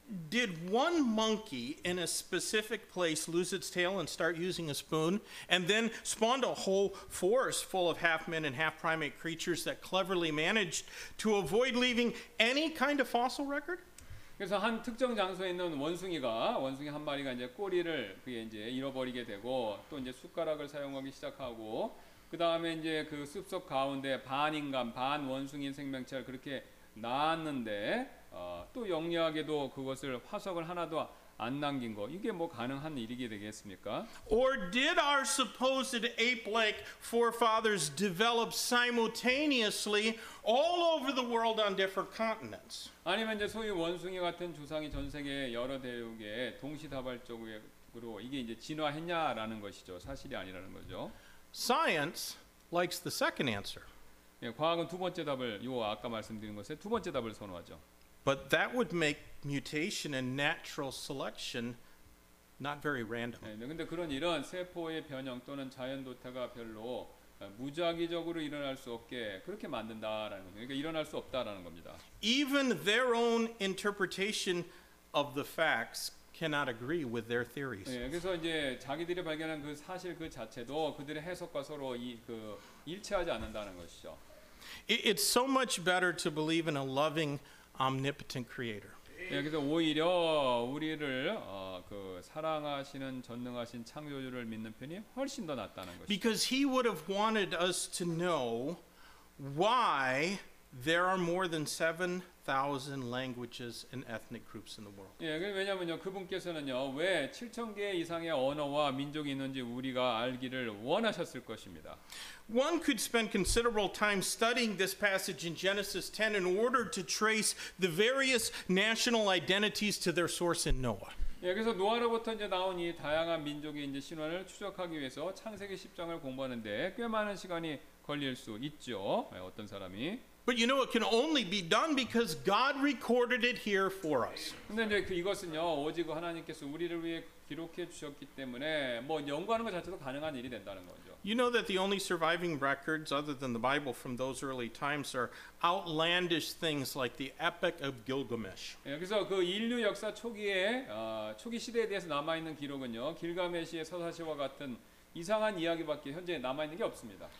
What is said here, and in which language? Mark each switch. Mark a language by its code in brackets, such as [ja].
[en] Did one monkey in a specific place lose its tail and start using a spoon and then spawned a whole forest full of half-men and half-primate creatures that cleverly managed to avoid leaving any kind of fossil record? [ko] 그래서 한 특정 장소에 있는 원숭이 한 마리가 이제 꼬리를 그게 이제 잃어버리게 되고 또 이제 숟가락을 사용하기 시작하고 그 다음에 이제 그 숲속 가운데 반 인간 반 원숭이 생명체를 그렇게 낳았는데 또 영리하게도 그것을 화석을 하나도 안 남긴 거 이게 뭐 가능한 일이게 되겠습니까? [en] Or did our supposed ape-like forefathers develop simultaneously all over the world on different continents? [ko] 아니면 이제 소위 원숭이 같은 조상이 전 세계 여러 대륙에 동시다발적으로 이게 이제 진화했냐라는 것이죠. 사실이 아니라는 거죠. [en] Science likes the second answer. [ko] 예, 과학은 두 번째 답을 요 아까 말씀드린 것에 두 번째 답을 선호하죠. [en] But that would make mutation and natural selection not very random. [ko] 예, 근데 그런 이런 세포의 변형 또는 자연 도태가 별로 무작위적으로 일어날 수 없게 그렇게 만든다라는 거죠. 그러니까 일어날 수 없다라는 겁니다. [en] Even their own interpretation of the facts cannot agree with their theories. [ko] 예, 그래서 이제 자기들이 발견한 그 사실 그 자체도 그들의 해석과 서로 이 그 일치하지 않는다는 것이죠. [en] It's so much better to believe in a loving, omnipotent creator. [ko] 예, 그래서 오히려 우리를 그 사랑하시는 전능하신 창조주를 믿는 편이 훨씬 더 낫다는 것이죠. [en] Because he would have wanted us to know why there are more than 7,000 languages and ethnic groups in the world. [ko] 예, 왜냐면요, 그분께서는요, 왜 7천 개 이상의 언어와 민족이 있는지 우리가 알기를 원하셨을 것입니다. [en] One could spend considerable time studying this passage in Genesis 10 in order to trace the various national identities to their source in Noah. [ko] 예, 그래서 노아로부터 이제 나온 이 다양한 민족의 이제 신화를 추적하기 위해서 창세기 10장을 공부하는데 꽤 많은 시간이 걸릴 수 있죠. 예, 어떤 사람이. [en] But you know it can only be done because God recorded it here for us. [ko] 근데 이제 그 이것은요 오직 하나님께서 우리를 위해 기록해 주셨기 때문에 뭐 연구하는 것 자체도 가능한 일이 된다는 거죠. [en] You know that the only surviving records other than the Bible from those early times are outlandish things like the Epic of Gilgamesh. [ko] 그래서 그 인류 역사 초기에 초기 시대에 대해서 남아 있는 기록은요 길가메시의 서사시와 같은 이상한 이야기밖에 현재 남아 있는 게 없습니다.